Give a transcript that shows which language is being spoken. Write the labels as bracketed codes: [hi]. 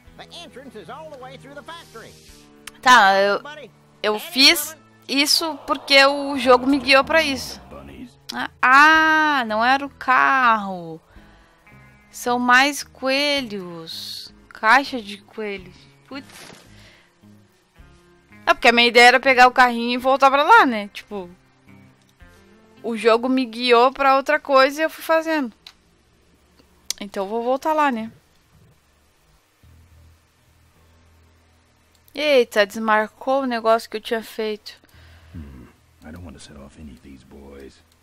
[en] The entrance is all the way through the factory. [pt] Tá, eu fiz isso porque o jogo me guiou pra isso. Ah, não era o carro. São mais coelhos. Caixa de coelhos. Putz. É porque a minha ideia era pegar o carrinho e voltar pra lá, né? Tipo, o jogo me guiou pra outra coisa e eu fui fazendo. Então eu vou voltar lá, né? Eita, desmarcou o negócio que eu tinha feito. [en] I don't want to set off any of these boys.